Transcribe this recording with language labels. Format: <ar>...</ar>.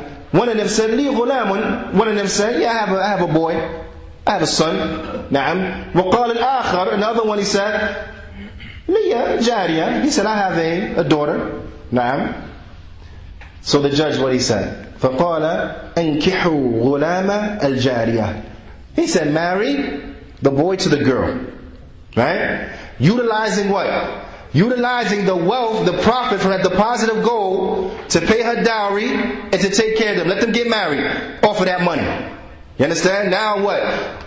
<en>One of them said,</en> <ar>Li ghulam.</ar> <en>One of them said, yeah, I have a boy. I have a son. Na'am.</en> <ar>وقال الآخر,</ar> <en>another one, he said,</en> <ar>Liya Jariya.</ar> <en>He said, I have a daughter. Na'am. So the judge, what he said?</en> <ar>فقال أنكحوا غلام الجارية.</ar> <en>He said, marry the boy to the girl. Right? Utilizing what? Utilizing the wealth, the profit from that deposit of gold to pay her dowry and to take care of them. Let them get married off of that money. You understand? Now what?</en>